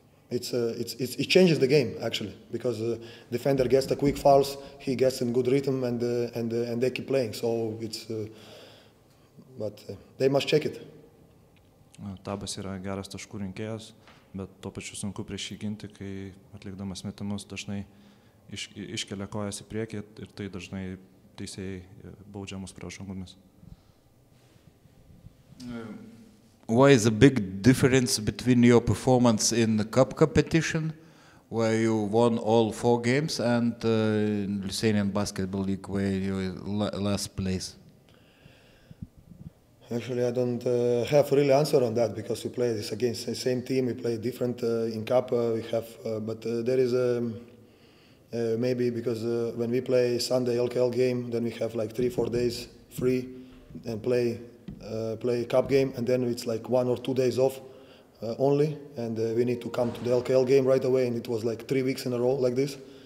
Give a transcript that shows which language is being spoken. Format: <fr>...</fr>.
<en>It changes the game actually because defender gets the quick fouls, he gets in good rhythm and they keep playing. So it's, but they must check it.</en> <lt>Tabas yra geras taškų rinkėjas, bet tuo pačiu sunku prieš jį ginti, kai atlikdamas metimus dažnai iškelia kojas į priekį ir tai dažnai teisėjai baudžiamus pražangomis.</lt> <en>Why is a big difference between your performance in the cup competition where you won all 4 games and in Lithuanian basketball league where you last place? Actually, I don't have really answer on that because we play this against the same team, we play different in cup we have but there is a maybe because when we play Sunday LKL game, then we have like 3-4 days free and play cup game, and then it's like 1 or 2 days off only, and we need to come to the LKL game right away, and it was like 3 weeks in a row like this.</en>